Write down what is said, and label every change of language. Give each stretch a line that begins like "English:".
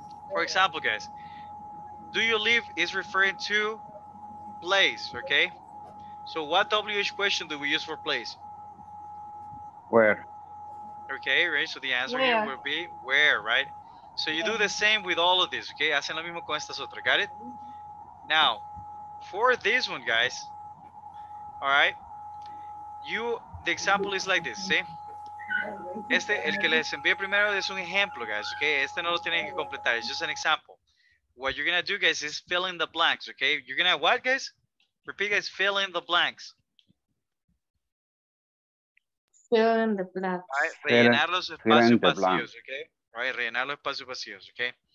English: For example, guys, do you live is referring to place, okay? So what WH question do we use for place? Where. Okay, right, so the answer here will be where, right? So you do the same with all of these, okay?
Spanish: Hacen lo mismo con estas otras,
English: got it? Now, for this one, guys, all right? The example is like this, see?
Spanish: Este, el que les envié primero es un ejemplo, guys, okay? Este no lo tienen que completar,
English: it's just an example. What you're gonna do, guys, is fill in the blanks, okay? You're gonna what, guys? Repeat, guys, fill in the blanks. Fill in the blanks.
Spanish: Right, rellenar los espacios vacíos, okay? Right, rellenar los espacios vacíos, okay?